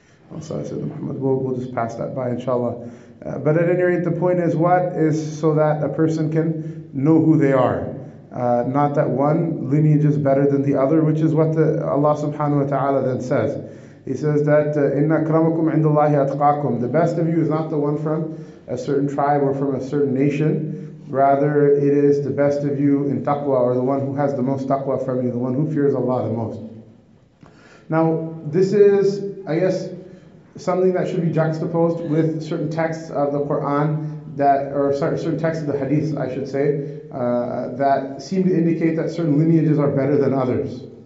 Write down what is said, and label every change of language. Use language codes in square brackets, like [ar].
[en] We'll just pass that by, inshallah. But at any rate, the point is, what is so that a person can know who they are. Not that one lineage is better than the other, which is what Allah subhanahu wa ta'ala then says. He says that, [ar] إِنَّ أَكْرَمَكُمْ عِنْدَ اللَّهِ أَتْقَاكُمْ. [en] The best of you is not the one from a certain tribe or from a certain nation. Rather, it is the best of you in taqwa, or the one who has the most taqwa from you, the one who fears Allah the most. Now, this is, I guess, something that should be juxtaposed with certain texts of the Quran that, or sorry, certain texts of the Hadith, I should say, that seem to indicate that certain lineages are better than others.